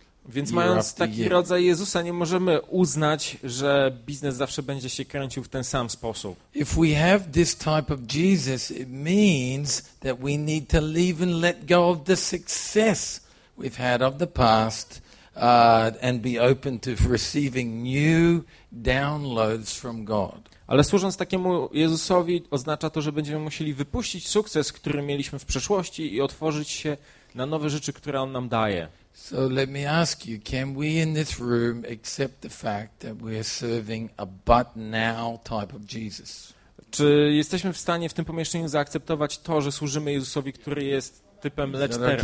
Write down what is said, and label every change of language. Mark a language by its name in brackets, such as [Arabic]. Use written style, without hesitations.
[Polish] Więc mając taki rodzaj Jezusa, nie możemy uznać, że biznes zawsze będzie się kręcił w ten sam sposób. [English] If we have this type of Jesus, it means that we need to leave and let go of the success we've had of the past and be open to receiving new downloads from God. [Polish] Ale służąc takiemu Jezusowi, oznacza to, że będziemy musieli wypuścić sukces, który mieliśmy w przeszłości i otworzyć się na nowe rzeczy, które on nam daje. [English] So let me ask you, can we in this room accept the fact that we're serving a but now type of Jesus? [Polish] Czy jesteśmy w stanie w tym pomieszczeniu zaakceptować to, że służymy Jezusowi, który jest typem lecz teraz?